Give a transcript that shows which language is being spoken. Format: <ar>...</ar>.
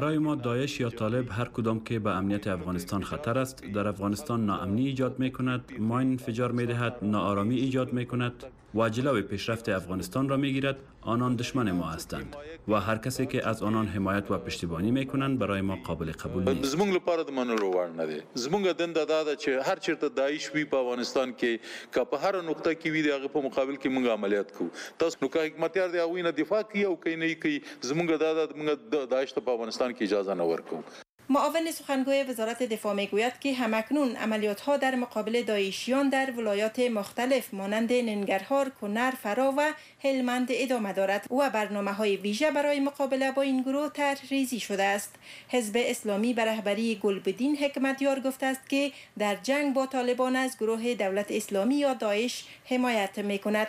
<fa>برای ما داعش یا طالب هر کدام که به امنیت افغانستان خطر است در افغانستان ناامنی ایجاد میکند، ماین انفجار میدهد، ناآرامی ایجاد میکند و جلوی پیشرفت افغانستان را میگیرد. آنان دشمن ما هستند و هر کسی که از آنان حمایت و پشتیبانی میکنند برای ما قابل قبول نیست.</fa> <ps>زمونږ لپاره د منلو وړ نه دی. زمونږ دند داده چې هر چیرته داعش وی په افغانستان کې که په هر نقطه کې وی د هغه په مقابل کې موږ عملیات کوو. تاسو نو که حکمتیار دی هغوی نه دفاع کوي او که نه یې کوي، زمونږ داده موږ داعش ته په افغانستان کې اجازه نه ورکوو.</ps> <fa>معاون سخنگوی وزارت دفاع میگوید که همکنون عملیات ها در مقابل داعشیان در ولایات مختلف مانند ننگرهار، کنر، فرا و هلمند ادامه دارد و برنامه های ویژه برای مقابله با این گروه طرح‌ریزی شده است. حزب اسلامی به رهبری گلبدین حکمتیار گفته است که در جنگ با طالبان از گروه دولت اسلامی یا داعش حمایت میکند.</fa>